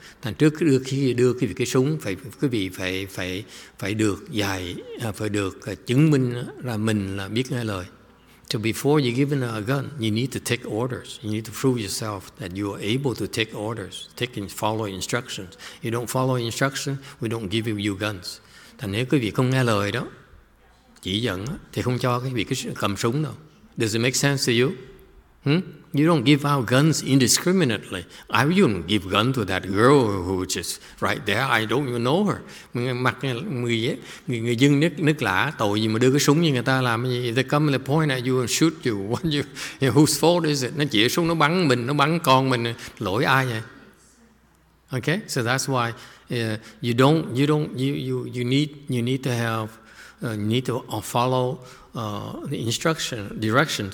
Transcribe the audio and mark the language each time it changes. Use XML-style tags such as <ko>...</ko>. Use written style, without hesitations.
<vi>Thành trước khi đưa quý vị cái súng phải quý vị phải được dạy, phải được chứng minh là mình là biết nghe lời.</vi> <en>So before you're given a gun, you need to take orders. You need to prove yourself that you are able to take orders, follow instructions. You don't follow instructions, we don't give you guns.</en> <vi>Thành nếu quý vị không nghe lời đó, chỉ dẫn thì không cho quý vị cầm súng đâu.</vi> <en>Does it make sense to you? You don't give out guns indiscriminately. I wouldn't give gun to that girl who just right there. I don't even know her.</en> <vi>Mặt người dân nước lạ, tội gì mà đưa cái súng như người ta làm gì?</vi> <en>They come and they point at you and shoot you. What you? Whose fault is it?</en> <vi>Nó chỉ súng nó bắn mình, nó bắn con mình. Lỗi ai vậy?</vi> <en>Okay, so that's why you need to follow the instruction direction.</en>